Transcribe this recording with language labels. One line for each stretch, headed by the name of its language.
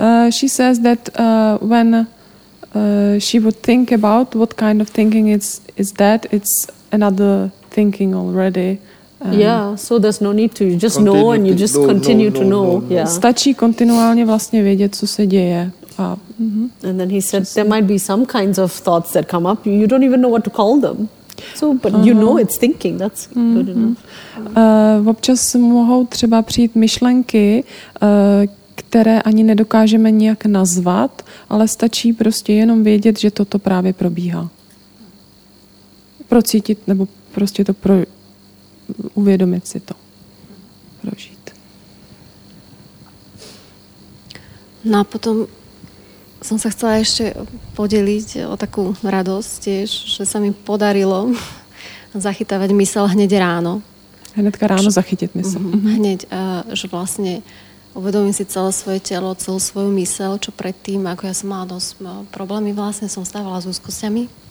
English: She says that when she would think about what kind of thinking is that, it's another thinking already. Yeah, so there's no need to. You just know and you just continue to know. Yeah.
Czech: Stačí kontinuálně vlastně vědět, co se děje.
English: And then he said there might be some kinds of thoughts that come up. You don't even know what to call them. So, but you know it's thinking, that's good enough.
Czech: Občas mohou třeba přijít myšlenky, které ani nedokážeme nijak nazvat, ale stačí prostě jenom vědět, že toto právě probíhá. Procítit nebo prostě to uvědomit si to. Prožít.
Slovak: No a potom som sa chcela ešte podeliť o takú radosť tiež, že sa mi podarilo zachytávať mysel hneď ráno. Hnedka ráno zachytiť mysel. Hneď, že vlastne uvedomím si celé svoje telo, celú svoju mysel, čo predtým, ako ja som mala dosť problémy, vlastne som stávala s úzkosťami.